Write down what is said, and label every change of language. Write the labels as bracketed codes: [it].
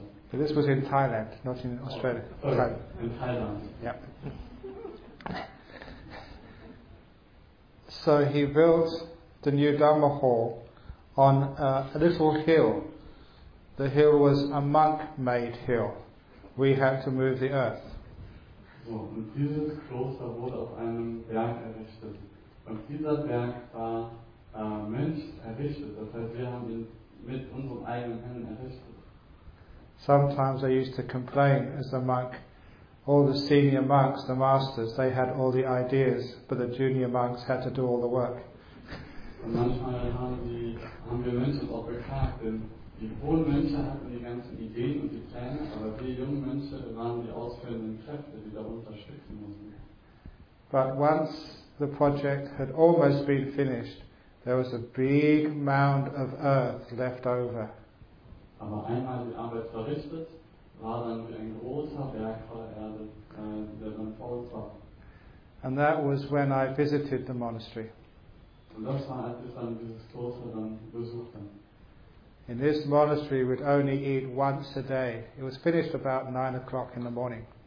[en] But this was in Thailand, not in Australia. In Thailand. Yeah. So he built the new Dhamma hall on a little hill. The hill was a monk-made hill. We had to move the earth. [de] So, und dieses Kloster wurde auf einem Berg errichtet. Und dieser Berg war Mönch errichtet. Das heißt, wir haben ihn mit unseren eigenen Händen errichtet. [en] Sometimes I used to complain as a monk. All the senior monks, the masters, they had all the ideas, but the junior monks had to do all the work. [de] Und manchmal haben wir Mönche auch beklagt, denn die hohen Mönche hatten die ganzen Ideen und die Pläne, aber wir jungen Mönche waren die ausführenden Kräfte, die da unterstützen mussten. [en] But once the project had almost been finished, there was a big mound of earth left over. [de] Aber einmal die Arbeit verrichtet, war dann wie ein großer Berg voller Erde, der dann voll war. [en] And that was when I visited the monastery. [de] Und das war, als ich dann dieses Kloster dann besuchte. [en] In this monastery we'd only eat once a day. It was finished about 9 o'clock in the morning.